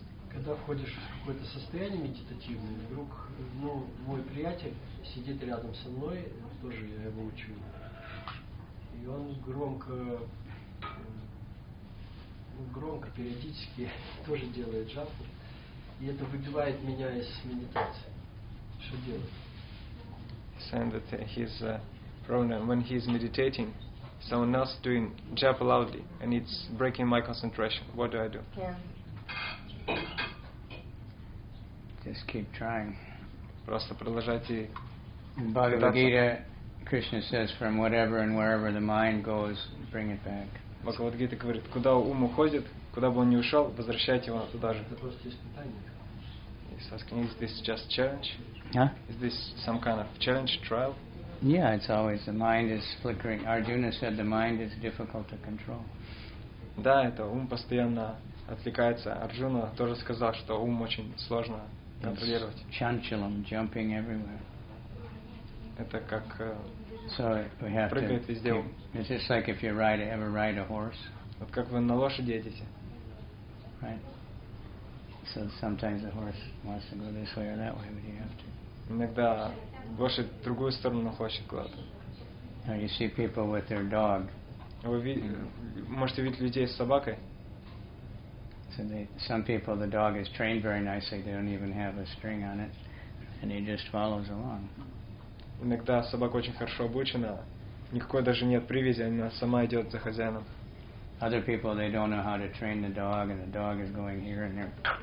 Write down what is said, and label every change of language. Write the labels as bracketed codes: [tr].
[ru] Когда входишь в какое-то состояние медитативное, вдруг, ну, мой приятель сидит рядом со мной, тоже я его учу, и он громко периодически тоже делает джапу, и это выбивает меня из медитации. Что делать? [en] Saying that his problem when he is meditating, someone else doing japa loudly and it's breaking my concentration. What do I do? Yeah. Just keep trying. [ru] Просто продолжайте. [en] Bhagavad Gita, Krishna says, from whatever and wherever the mind goes, bring it back. [ru] Бхагавад Гита говорит, куда ум уходит, куда бы он ни ушел, возвращайте его туда же. Это просто испытание. [en] He's asking, is this just challenge? Huh? Is this some kind of challenge, trial? Yeah, it's always the mind is flickering. Arjuna said the mind is difficult to control. [ru] Да, это ум постоянно отвлекается. Арджуна тоже сказал, что ум очень сложно контролировать. [en] It's chanchalam, jumping everywhere. [ru] Это как... [en] So we have to. It's just like if you ever ride a horse. [ru] Вот как вы на лошади едете. [en] Right. So sometimes the horse wants to go this way or that way, but you have to. [ru] Иногда лошадь в другую сторону хочет куда-то. [en] Now you see people with their dog. [ru] Вы можете видеть людей с собакой. [en] So some people the dog is trained very nicely. They don't even have a string on it, and he just follows along. [ru] Иногда собака очень хорошо обучена, никакой даже нет привязи, она сама идет за хозяином. [en] Other people they don't know how to train the dog, and the dog is going here and there.